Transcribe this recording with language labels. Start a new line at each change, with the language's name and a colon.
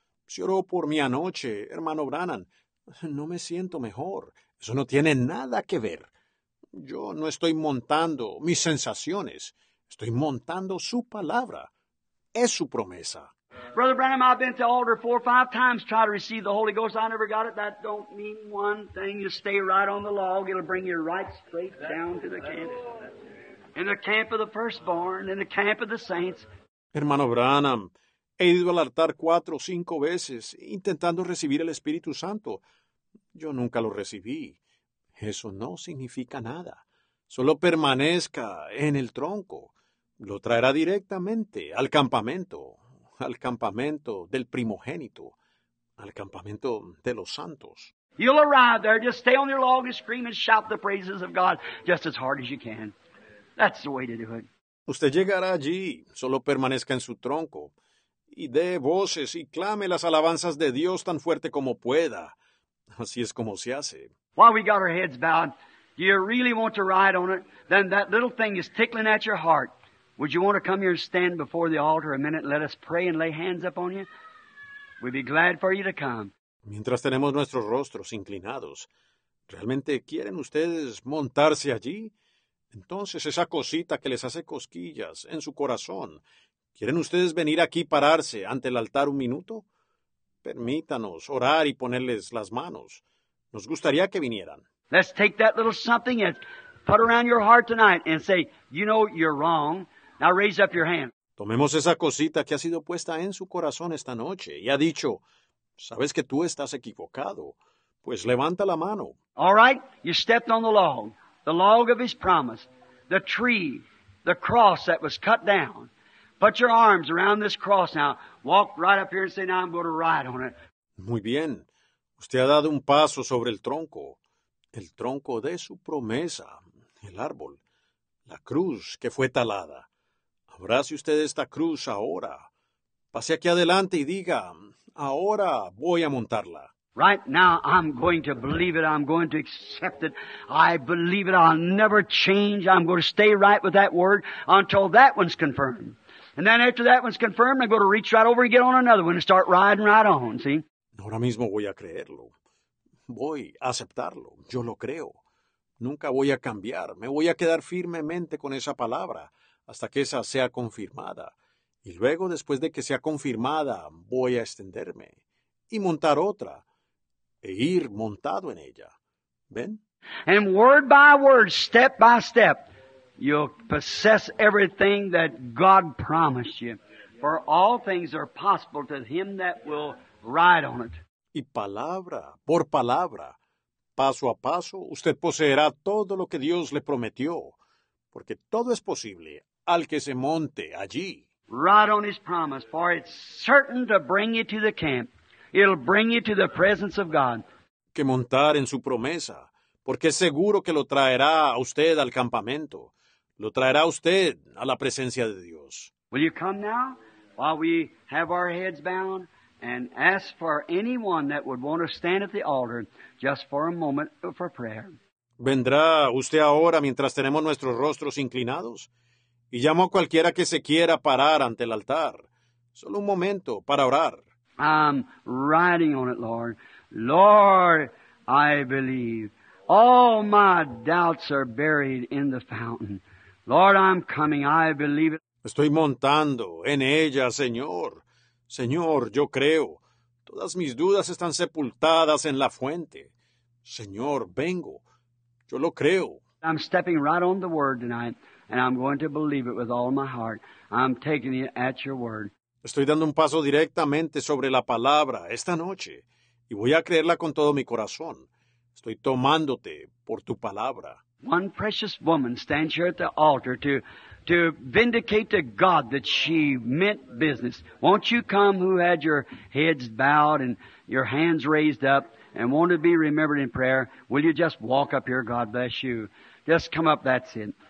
Spanish: Si oró por mí anoche, hermano Branham, no me siento mejor. Eso no tiene nada que ver. Yo no estoy montando mis sensaciones. Estoy montando su palabra. Es su promesa.
English: Brother Branham, I've been to altar 4 or 5 times trying to receive the Holy Ghost. I never got it. That don't mean one thing. You stay right on the log. It'll bring you right straight down to the camp. In the camp of the firstborn, in the camp of the saints.
Spanish: Hermano Branham, he ido al altar 4 o 5 veces intentando recibir el Espíritu Santo. Yo nunca lo recibí. Eso no significa nada. Solo permanezca en el tronco. Lo traerá directamente al campamento. Al campamento del primogénito. Al campamento de los santos.
English: You'll arrive there. Just stay on your log and scream and shout the praises of God just as hard as you can. That's the way to do it.
Spanish: Usted llegará allí. Solo permanezca en su tronco. Y dé voces y clame las alabanzas de Dios tan fuerte como pueda. Así es como se hace.
English: While we got our heads bowed, do you really want to ride on it? Then that little thing is tickling at your heart. Would you want to come here and stand before the altar a minute and let us pray and lay hands upon you? We'd be glad for you to come.
Spanish: Mientras tenemos nuestros rostros inclinados, ¿realmente quieren ustedes montarse allí? Entonces esa cosita que les hace cosquillas en su corazón, ¿quieren ustedes venir aquí pararse ante el altar un minuto? Permítanos orar y ponerles las manos. Nos gustaría que vinieran.
English: Let's take that little something and put around your heart tonight and say, you know you're wrong. Now raise up your hand.
Spanish: Tomemos esa cosita que ha sido puesta en su corazón esta noche y ha dicho, sabes que tú estás equivocado, pues levanta la mano.
English: All right, you stepped on the log of his promise, the tree, the cross that was cut down. Put your arms around this cross now. Walk right up here and say, now I'm going to ride on it.
Spanish: Muy bien. Usted ha dado un paso sobre el tronco de su promesa, el árbol, la cruz que fue talada. Abrace usted esta cruz ahora. Pase aquí adelante y diga, ahora voy a montarla.
English: Right now, I'm going to believe it. I'm going to accept it. I believe it. I'll never change. I'm going to stay right with that word until that one's confirmed. And then after that one's confirmed, I'm going to reach right over and get on another one and start riding right on, see?
Spanish: Ahora mismo voy a creerlo. Voy a aceptarlo. Yo lo creo. Nunca voy a cambiar. Me voy a quedar firmemente con esa palabra. Hasta que esa sea confirmada. Y luego, después de que sea confirmada, voy a extenderme y montar otra e ir montado en ella. ¿Ven?
English: And word by word, step by step, you'll possess everything that God promised you. For all things are possible to him that will ride on it.
Spanish: Y palabra por palabra, paso a paso, usted poseerá todo lo que Dios le prometió. Porque todo es posible. Al que se monte allí.
English: Right on his promise, for it's certain to bring you to the camp. It'll bring you to the presence of God.
Spanish: Que montar en su promesa, porque es seguro que lo traerá a usted al campamento. lo traerá usted a la presencia de Dios.
English: Will you come now while we have our heads bound and ask for anyone that would want to stand at the altar just for a moment for prayer?
Spanish: ¿Vendrá usted ahora mientras tenemos nuestros rostros inclinados? Y llamo a cualquiera que se quiera parar ante el altar. Solo un momento para orar.
English: I'm riding on it, Lord. Lord, I believe. All my doubts are buried in the fountain. Lord, I'm coming. I believe it.
Spanish: Estoy montando en ella, Señor. Señor, yo creo. Todas mis dudas están sepultadas en la fuente. Señor, vengo. Yo lo creo.
English: I'm stepping right on the word tonight, and I'm going to believe it with all my heart. I'm taking it at your word.
Spanish: Estoy dando un paso directamente sobre la palabra esta noche, y voy a creerla con todo mi corazón. Estoy tomándote por tu palabra.
English: One precious woman stands here at the altar to vindicate to God that she meant business. Won't you come who had your heads bowed and your hands raised up and want to be remembered in prayer? Will you just walk up here? God bless you. Just come up, that's it.